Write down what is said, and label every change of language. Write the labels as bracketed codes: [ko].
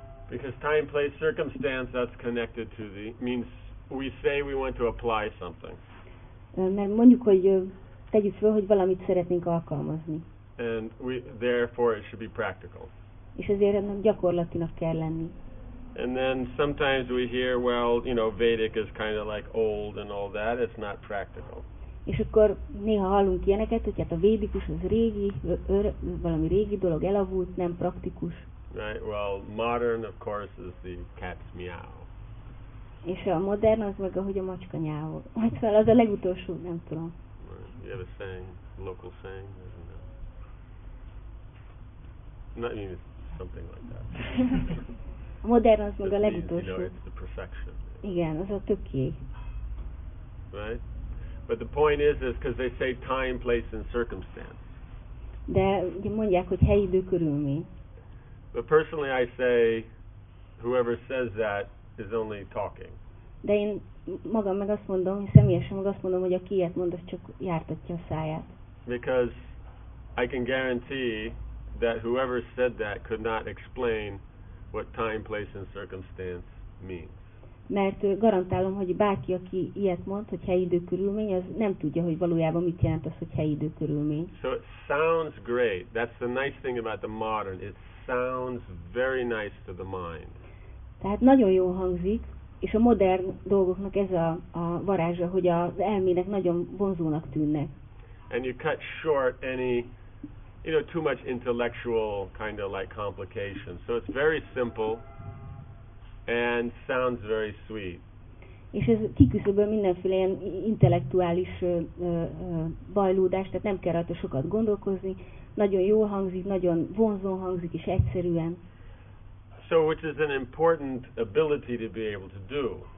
[en] Because time, place, circumstance, that's connected to the, means we say we want to apply something. [hu] Mert mondjuk, hogy tegyük fel, hogy valamit szeretnénk alkalmazni. [en] And we, therefore it should be practical. [hu] És ezért ennek gyakorlatinak kell lenni. [en] And then sometimes we hear, well, you know, Vedic is kind of like old and all that, it's not practical. [hu] És akkor néha hallunk ilyeneket, hogy hát a védikus az régi, valami régi dolog, elavult, nem praktikus. [en] Right, well, modern, of course, is the cat's meow. [hu] És a modern az meg, ahogy a macska nyávol. Macska, az a legutolsó, nem tudom. [en] Right. You have a saying, local saying? Not even something like that. [hu] A modern az meg a legutolsó. [en] You know, it's the perfection. [hu] Igen, az a tökély. [en] Right? But the point is because they say time, place and circumstance. [hu] De ugye mondják, hogy hely, idő, körülmény. [en] But personally I say whoever says that is only talking. [hu] De én magam meg azt mondom, hogy személyesen meg azt mondom, hogy aki ilyet mond, az csak jártatja a száját. [en] Because I can guarantee that whoever said that could not explain what time, place and circumstance means. [hu] Mert garantálom, hogy bárki, aki ilyet mond, hogy hely, idő, körülmény, az nem tudja, hogy valójában mit jelent az, hogy hely, idő, körülmény. [en] So it sounds great. That's the nice thing about the modern. It sounds very nice to the mind. [hu] Tehát nagyon jó hangzik, és a modern dolgoknak ez a varázsa, hogy az elmének nagyon vonzónak tűnnek. [en] And you cut short any, you know, too much intellectual kind of like complications. So it's very simple and sounds very sweet. [hu] És ez kiküszöböl mindenféle ilyen intellektuális bajlódást, tehát nem kell rajta sokat gondolkozni. Nagyon jól hangzik, nagyon vonzón hangzik, és egyszerűen. [en] So which is an important ability to be able to do.